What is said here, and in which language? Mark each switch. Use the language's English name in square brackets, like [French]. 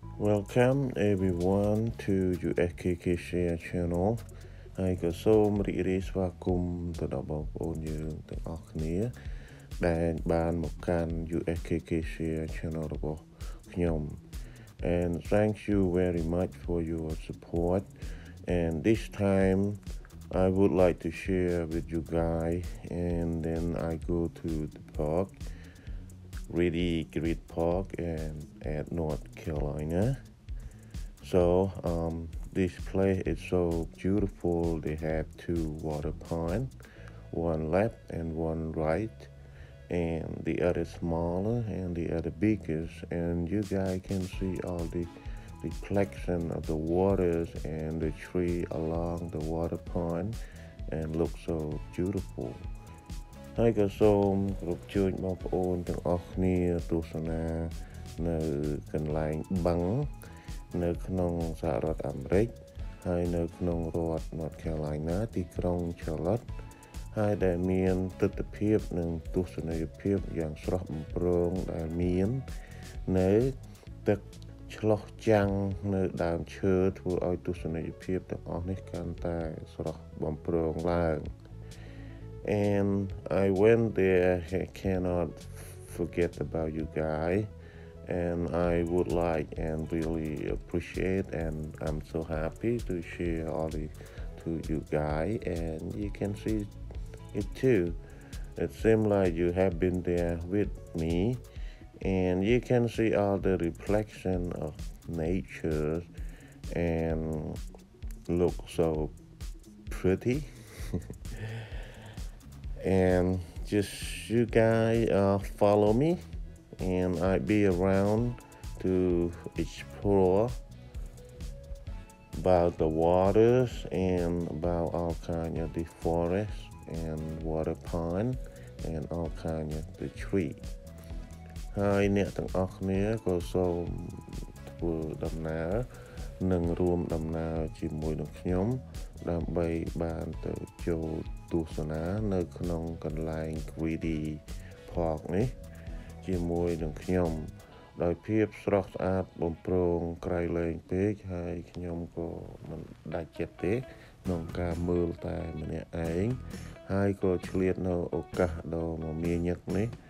[English] Welcome everyone to your KKCHA channel. I got so [Khmer] រីករាយស្វាគមន៍ទៅដល់បងប្អូនយើងទាំងអស់គ្នាដែលបានមកកាន់ KKCHA channel របស់ខ្ញុំ [English] And thank you very much for your support. And this time I would like to share with you guys and then I go to the park. Reedy Creek Park and at North Carolina. So, this place is so beautiful. They have two water ponds, one left and one right, and the other smaller and the other biggest. And you guys can see all the reflection of the waters and the tree along the water pond and look so beautiful. [Khmer] ហើយក៏សូមគោរពជូនបងប្អូនទាំងអស់គ្នាទស្សនានៅកន្លែងបឹងនៅក្នុងសហរដ្ឋអាមេរិកហើយនៅក្នុងរដ្ឋ North Carolina ទីក្រុង Charlotte ហើយដែលមានទិដ្ឋភាពនិងទស្សនីយភាពយ៉ាងស្រស់បំព្រងដែលមាន នៅទឹកឆ្លុះចាំងនៅដើមឈើធ្វើឲ្យទស្សនីយភាពទាំងអស់នេះកាន់តែស្រស់បំព្រងឡើង [English] And I went there, I cannot forget about you guys. And I would like and really appreciate and I'm so happy to share all this to you guys. And you can see it too. It seems like you have been there with me. And you can see all the reflection of nature and look so pretty. And just you guys follow me and I'll be around to explore about the waters and about all kind of the forest and water pond and all kind of the tree. [Khmer] ហើយអ្នកទាំងអស់គ្នាក៏សូមធ្វើដំណើរនិងរួមដំណើរជាមួយនឹងខ្ញុំដើម្បីបានទៅចូលទស្សនានៅក្នុងកន្លែង Reedy Creek Park នេះជាមួយនឹងខ្ញុំដោយភាពស្រស់ស្អាតបំព្រងក្រៃលែងពេកហើយខ្ញុំក៏មិនដាច់ចិត្តទេក្នុងការមើលតែម្នាក់ឯងហើយក៏ឆ្លៀតនៅឱកាសដ៏មមាញឹកនេះ